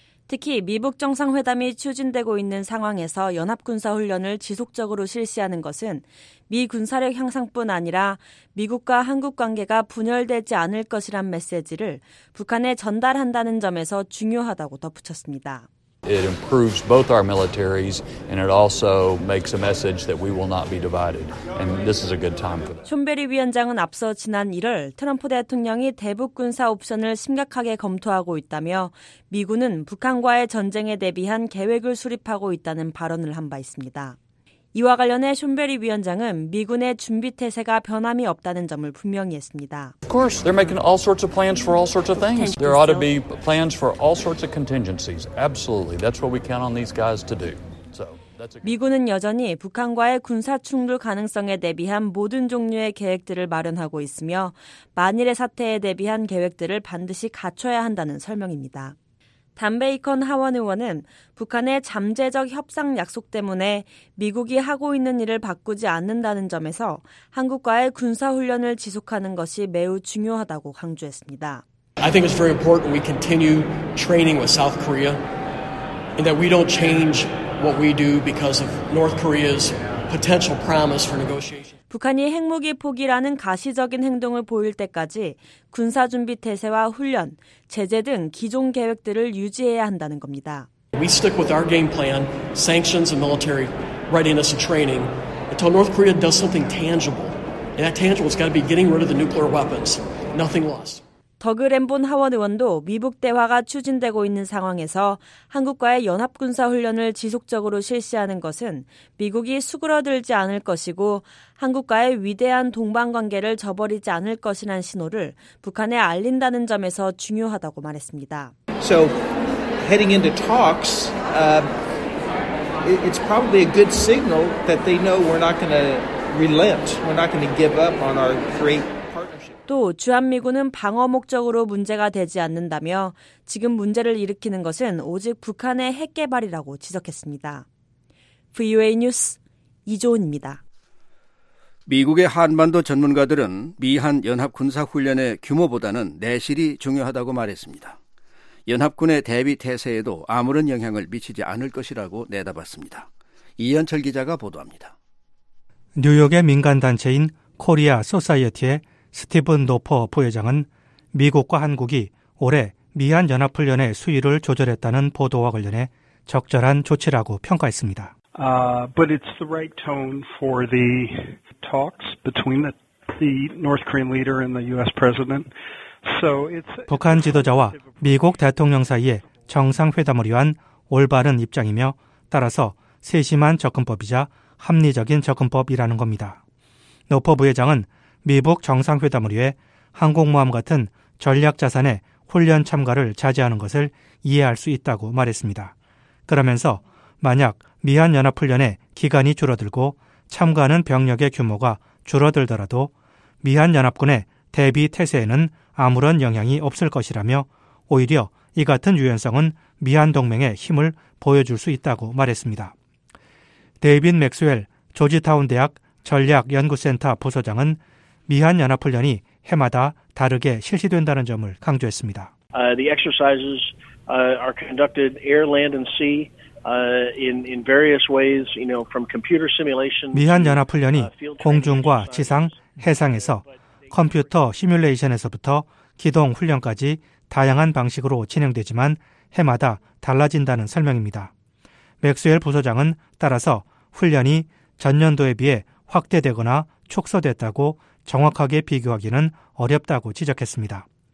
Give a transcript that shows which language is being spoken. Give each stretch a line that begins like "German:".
Korean: 특히 미북 정상회담이 추진되고 있는 상황에서 연합군사훈련을 지속적으로 실시하는 것은 미 군사력 향상뿐 아니라 미국과 한국 관계가 분열되지 않을 것이란 메시지를 북한에 전달한다는 점에서 중요하다고 덧붙였습니다.
English: It improves both our militaries and it also makes a message that we will not be divided. And this is a good time for that.
Korean: 촌베리 위원장은 앞서 지난 1월 트럼프 대통령이 대북 군사 옵션을 심각하게 검토하고 있다며 미군은 북한과의 전쟁에 대비한 계획을 수립하고 있다는 발언을 한 바 있습니다. 이와 관련해 슌베리 위원장은 미군의 준비 태세가 변함이 없다는 점을 분명히 했습니다.
English: Of course, they're making all sorts of plans for all sorts of things. There ought to be plans for all sorts of contingencies. Absolutely. That's what we count on these guys to do. So, that's a
Korean: 미군은 여전히 북한과의 군사 충돌 가능성에 대비한 모든 종류의 계획들을 마련하고 있으며 만일의 사태에 대비한 계획들을 반드시 갖춰야 한다는 설명입니다. 단 베이컨 하원 의원은 북한의 잠재적 협상 약속 때문에 미국이 하고 있는 일을 바꾸지 않는다는 점에서 한국과의 군사훈련을 지속하는 것이 매우 중요하다고 강조했습니다.
English: I think it's very important we continue training with South Korea and that we don't change what we do because of North Korea's potential promise for negotiation.
Korean: 북한이 핵무기 포기라는 가시적인 행동을 보일 때까지 군사 준비 태세와 훈련, 제재 등 기존 계획들을 유지해야 한다는 겁니다.
English: We stick with our game plan, sanctions and military readiness and training until North Korea does something tangible. And that tangible has got to be getting rid of the nuclear weapons. Nothing less.
Korean: 더그 램본 하원 의원도 미북 대화가 추진되고 있는 상황에서 한국과의 연합군사훈련을 지속적으로 실시하는 것은 미국이 수그러들지 않을 것이고 한국과의 위대한 동반관계를 저버리지 않을 것이란 신호를 북한에 알린다는 점에서 중요하다고 말했습니다.
English: So, heading into talks, it's probably a good signal that they know we're not going to relent. We're not going to give up on our great
Korean: 또 주한미군은 방어 목적으로 문제가 되지 않는다며 지금 문제를 일으키는 것은 오직 북한의 핵 개발이라고 지적했습니다. VOA 뉴스 이조은입니다. 미국의 한반도 전문가들은 미한 연합군사훈련의 규모보다는 내실이 중요하다고 말했습니다. 연합군의 대비 태세에도 아무런 영향을 미치지 않을 것이라고 내다봤습니다. 이현철 기자가 보도합니다. 뉴욕의 민간단체인 코리아 소사이어티의 스티븐 노퍼 부회장은 미국과 한국이 올해 미한 연합훈련의 수위를 조절했다는 보도와 관련해 적절한 조치라고 평가했습니다.
English: But it's the right tone for the talks between the North Korean leader and the U.S. president. So it's
Korean: 북한 지도자와 미국 대통령 사이의 정상회담을 위한 올바른 입장이며 따라서 세심한 접근법이자 합리적인 접근법이라는 겁니다. 노퍼 부회장은 미북 정상회담을 위해 항공모함 같은 전략자산의 훈련 참가를 자제하는 것을 이해할 수 있다고 말했습니다. 그러면서 만약 미한연합훈련의 기간이 줄어들고 참가하는 병력의 규모가 줄어들더라도 미한연합군의 대비 태세에는 아무런 영향이 없을 것이라며 오히려 이 같은 유연성은 미한동맹의 힘을 보여줄 수 있다고 말했습니다. 데이빈 맥스웰 조지타운 대학 전략연구센터 부소장은 미한연합훈련이 해마다 다르게 실시된다는 점을 강조했습니다.
English: The exercises are conducted air, land, and sea. In various ways, you know, from computer simulation.
Korean: 미한 연합 훈련이 공중과 지상, 해상에서 컴퓨터 시뮬레이션에서부터 기동 훈련까지 다양한 방식으로 진행되지만 해마다 달라진다는 설명입니다. 맥스웰 부소장은 따라서 훈련이 전년도에 비해 확대되거나 축소됐다고 정확하게 비교하기는 어렵다고 지적했습니다.